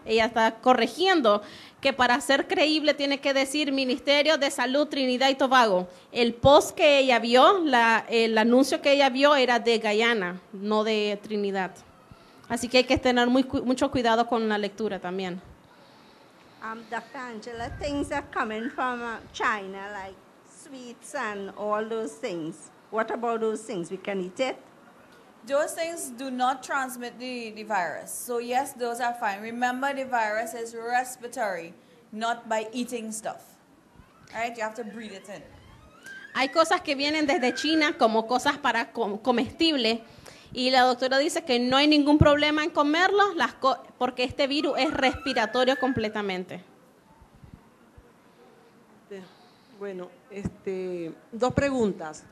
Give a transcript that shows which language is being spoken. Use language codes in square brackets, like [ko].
[es] Ella está corrigiendo que para ser creíble tiene que decir Ministerio de Salud Trinidad y Tobago. El post que ella vio, el anuncio que ella vio era de Guyana, no de Trinidad. Así que hay que tener mucho cuidado con la lectura también. [en] Dr. Angela, things are coming from China, like sweets and all those things. What about those things? We can eat it? Those things do not transmit the virus. So yes, those are fine. Remember, the virus is respiratory, not by eating stuff. All right? You have to breathe it in. [es] Hay cosas que vienen desde China como cosas para comestibles. Y la doctora dice que no hay ningún problema en comerlos porque este virus es respiratorio completamente. Bueno, dos preguntas.